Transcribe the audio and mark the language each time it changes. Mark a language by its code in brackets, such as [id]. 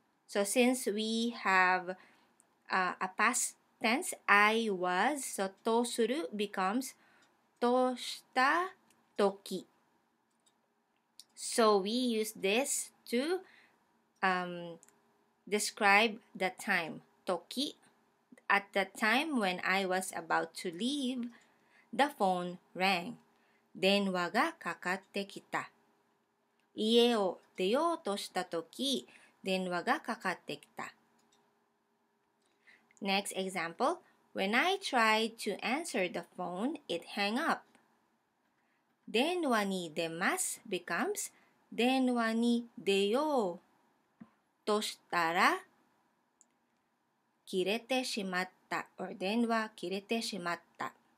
[en] So since we have a past tense, I was, so to suru becomes [ja] toshita toki. [en] So we use this to describe the time, toki, at the time when I was about to leave, the phone rang. [ja] 電話がかかってきた。家を出ようとしたとき、電話がかかってきた。 [en] Next example, when I tried to answer the phone, it hang up. [ja] 電話に出ます [en] becomes [ja] 電話に出ようとしたら切れてしまった [en] or [ja] 電話切れてしまった。